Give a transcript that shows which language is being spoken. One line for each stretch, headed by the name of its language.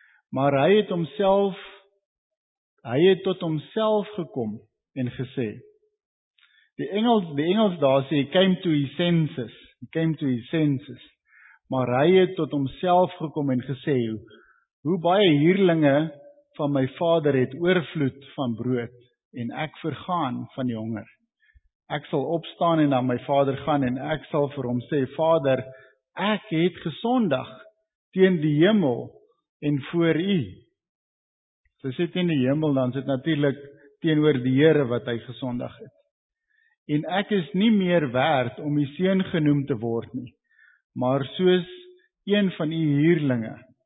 Afrikaans: Maar hy het tot homself gekom en gesê, die Engels daar sê,
English: he came to his senses,
Afrikaans: maar hy het tot homself gekom en gesê, hoe baie huurlinge van my vader het oorvloed van brood, en ek vergaan van die honger. Ek sal opstaan en na my vader gaan en ek sal vir hom sê, Vader, ek het gesondig teen die hemel en voor u. Sy sê teen die hemel, dan sit natuurlik teenoor die Here wat hy gesondig het. En ek is nie meer werd om die seun genoem te word nie, maar soos een van die huurlinge.